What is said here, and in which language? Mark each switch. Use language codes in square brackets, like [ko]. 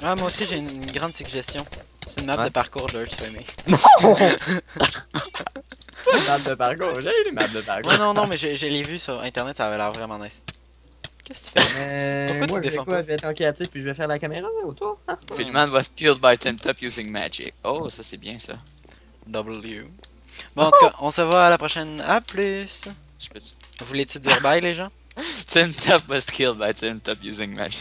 [fr] Ah, moi aussi j'ai une grande suggestion. C'est une map de parcours, George, tu vas aimer. Non! Les maps de Pargo, j'ai eu les maps de Pargo. Ouais, non, mais je l'ai vu sur internet, ça avait l'air vraiment nice. Qu'est-ce que tu fais? Pourquoi tu défends pas? Je vais être en créatif puis je vais faire la caméra ou toi? [en] Filman was killed by Temtop using magic. [fr] Oh, ça c'est bien ça. W. Bon, en tout cas, on se voit à la prochaine. A plus! Voulais-tu dire bye, les gens? [en] Temtop was killed by Temtop using magic.